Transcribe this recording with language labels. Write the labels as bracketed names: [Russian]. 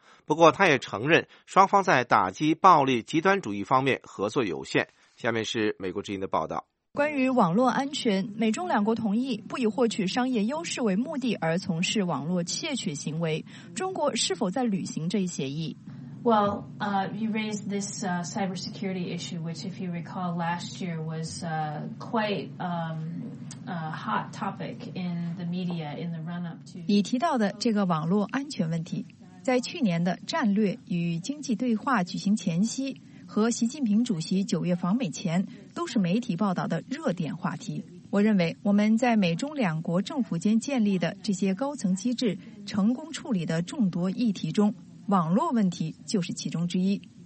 [Chinese] 不过他也承认双方在打击暴力极端主义方面合作有限。下面是美国之音的报道。关于网络安全，美中两国同意不以获取商业优势为目的而从事网络窃取行为，中国是否在履行这一协议？ [English] Well, you raised this cybersecurity issue, which, if you recall, last year was quite a hot topic in the media in the run-up to... [Chinese] 你提到的这个网络安全问题，在去年的战略与经济对话举行前夕和习近平主席九月访美前都是媒体报道的热点话题。我认为我们在美中两国政府间建立的这些高层机制成功处理的众多议题中，网络问题就是其中之一。